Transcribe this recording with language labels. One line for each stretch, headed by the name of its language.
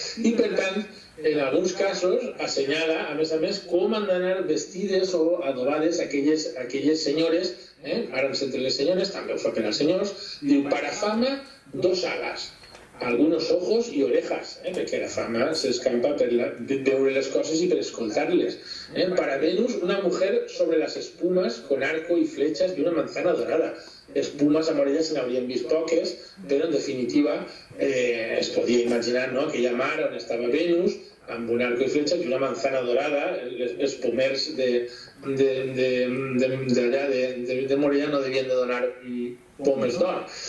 Catalan: I per tant, en alguns casos, assenyala, a més, com han d'anar vestides o adobades aquelles senyores, ara ens entre les senyores, també ho fa per als senyors, diu,
Spanish: para fama, dos alas, algunos ojos y orejas,
Catalan: perquè la fama s'escampa per veure les coses i per escoltar-les.
Spanish: Para Venus, una mujer sobre las espumas, con arco y flechas y una manzana dorada.
Catalan: Espumas amb orelles se n'haurien vist poques, però en definitiva es podia imaginar aquella mar on estava Venus, amb un arco i fletxa i
Spanish: una manzana dorada,
Catalan: els pomers d'allà, de Morella, no devien de donar pomes d'or.